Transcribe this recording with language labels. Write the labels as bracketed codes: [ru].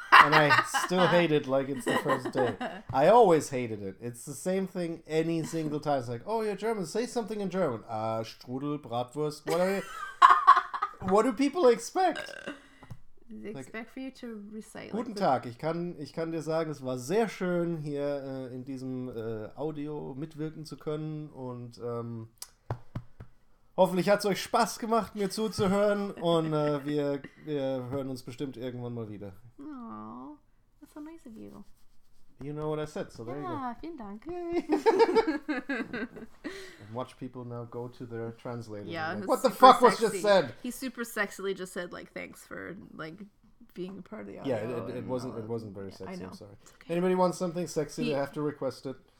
[en] And I still hate it like it's the first day. I always hated it. It's the same thing any single time. It's like, oh, you're German. Say something in German. Strudel, Bratwurst. What are you? What do people expect? They expect for you to recite. [de] Guten Tag. Ich kann dir sagen, es war sehr schön, hier in diesem Audio mitwirken zu können. Und hoffentlich hat es euch Spaß gemacht, mir zuzuhören. Und wir hören uns bestimmt irgendwann mal wieder. [en] Aww, that's so nice of you. You know what I said, so there you go. [de] Ja, vielen Dank. [en] And watch people now go to their translator. Yeah, like, what the fuck sexy. Was just said? He super sexily just said, like, thanks for, like, being a part of the audio. Yeah, it wasn't very sexy, yeah, I'm sorry. Okay. Anybody wants something sexy, they have to request it.